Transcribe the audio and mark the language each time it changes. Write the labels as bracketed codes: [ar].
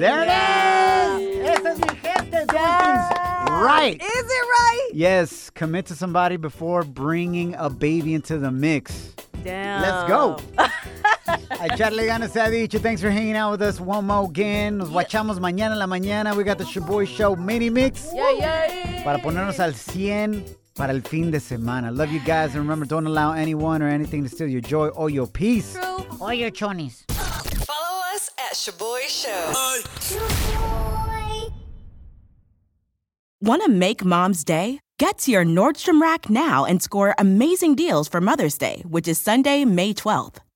[en] There it is. [es] Esa es mi gente. [en] Yes. Right. Is it right? Yes. Commit to somebody before bringing a baby into the mix. Damn. Let's go. [es] Echarle ganas a dicho. [en] Thanks for hanging out with us one more again. [es] Nos guachamos mañana en la mañana. [en] We got the Shaboy Show mini mix. [es] Para ponernos al 100 para el fin de semana. [en] Love you guys. And remember, don't allow anyone or anything to steal your joy or your peace. True. Or your chonies. Follow us at Shaboy Show. Want to make mom's day? Get to your Nordstrom Rack now and score amazing deals for Mother's Day, which is Sunday, May 12th.